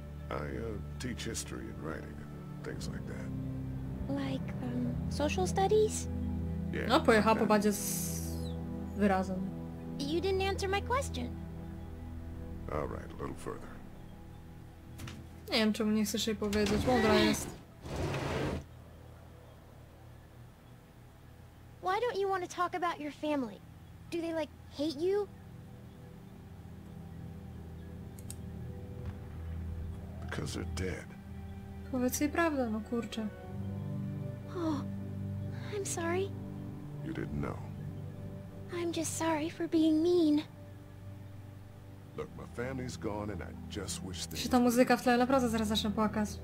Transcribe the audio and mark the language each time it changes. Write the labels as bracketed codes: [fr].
[en] I teach history and writing and things like that. Like social studies? Yeah. [pl] No, pojechał po bandzie z wyrazem. [en] You didn't answer my question. All right, a little further. [pl] Nie wiem, czemu nie chcesz jej powiedzieć. Mądra jest. [en] Why don't you want to talk about your family? Do they like hate you? Because they're dead. [pl] Powiedz jej prawdę, no kurczę. [en] Oh, I'm sorry. You didn't know. I'm just sorry for being mean. Look, my family's gone and I just wish they... [pl] Czy ta muzyka w tle naprawdę zaraz zacznę płakać?